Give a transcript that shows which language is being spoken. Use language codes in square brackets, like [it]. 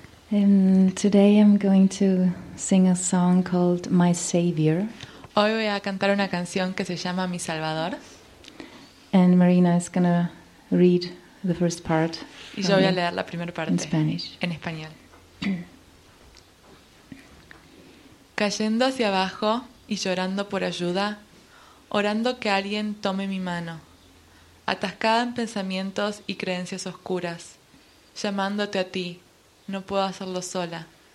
[en] Today I'm going to sing a song called My Savior. [es] Hoy voy a cantar una canción que se llama Mi Salvador. [en] And Marina is going to read the first part. [es] Y yo voy a leer la primera parte [en] in Spanish. [es] En español. Cayendo hacia abajo y llorando por ayuda, orando que alguien tome mi mano. Atascada en pensamientos y creencias oscuras, llamándote a ti, no puedo hacerlo sola.